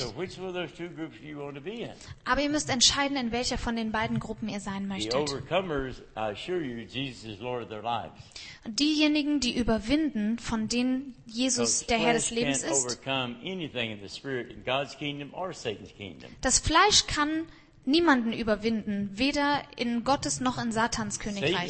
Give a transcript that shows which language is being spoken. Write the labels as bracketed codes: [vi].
[en] So which of those two groups do you want to be in? [de] Aber ihr müsst entscheiden, in welcher von den beiden Gruppen ihr sein möchtet. [en] The overcomers, I assure you, Jesus is Lord of their lives. [de] Diejenigen, die überwinden, von denen Jesus der Herr des Lebens ist. [en] Overcome anything in the spirit in God's kingdom or Satan's kingdom. [de] Das Fleisch kann niemanden überwinden, weder in Gottes noch in Satans Königreich.